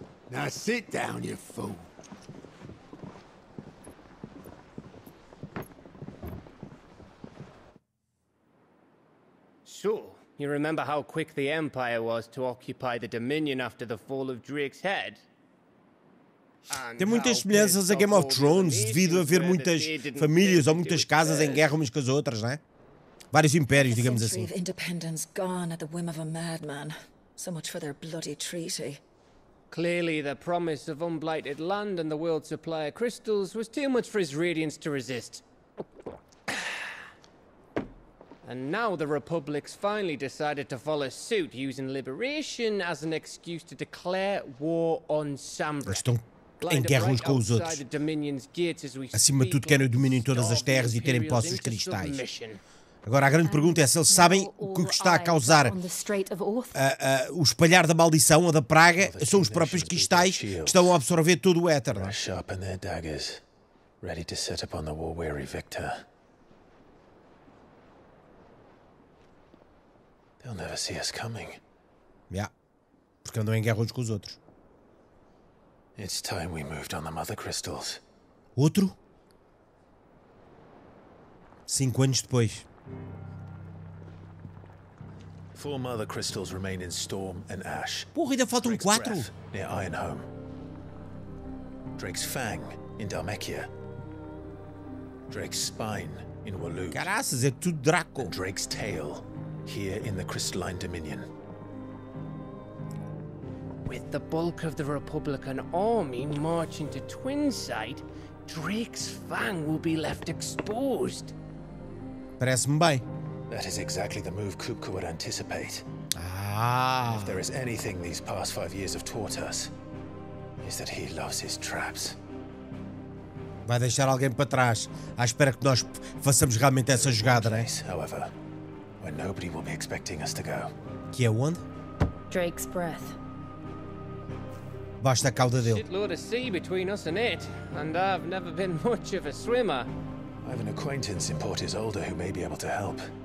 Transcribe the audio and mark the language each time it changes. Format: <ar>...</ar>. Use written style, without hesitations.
<en>Now sit down, you fool. So, you remember how quick the Empire was to occupy the Dominion after the fall of Drake's Head?</en> <pt>Tem muitas semelhanças a Game of Thrones, devido a haver muitas famílias ou muitas casas em guerra umas com as outras, não é? Vários impérios, digamos assim.</pt> <en>A century of independence gone at the whim of a madman. So much for their bloody treaty. Clearly, the promise of unblighted land and the world's supply of crystals was too much for his radiance to resist. And now the Republic's finally decided to follow suit, using liberation as an excuse to declare war on Sambra.</en> <pt>Estão em guerra uns com os outros. Acima de tudo, querem o domínio em todas as terras e terem posse dos cristais. Agora, a grande pergunta é se eles sabem o que está a causar o espalhar da maldição ou da praga. São os próprios cristais que estão a absorver todo o éter. Eles</pt> <en>sharpen their daggers, ready to set upon the war-weary victor. They'll never see us coming.</en> <pt>Yeah, porque andam em guerra uns com os outros.</pt> <en>It's time we moved on the mother crystals.</en> <pt>Outro? 5 anos depois.</pt> <en>Four mother crystals remain in storm and ash.</en> <pt>Porra, ainda faltam</pt> <en>Drake's 4. Near Ironhome. Drake's fang in Dalmechia. Drake's spine in Walloon.</en> <pt>Caraças, é tudo Draco.</pt> <en>And Drake's tail here in the crystalline dominion. With the bulk of the Republican army marching to Twinsight, Drake's fang will be left exposed.</en> <pt>Parece-me bem.</pt> <en>That is exactly the move Kupka would anticipate. Ah. If there is anything these past 5 years have taught us, is that he loves his traps.</en> <pt>Vai deixar alguém para trás. À espera que nós façamos realmente essa jogada, né?</pt> <en>However, when nobody will be expecting us to go.</en> <pt>Que é onde?</pt> <en>Drake's breath.</en> <pt>Basta a cauda dele.</pt> <en>Shitload of sea between us and it, and I've never been much of a swimmer. I have an acquaintance in Port Isolde who may be able to help.</en>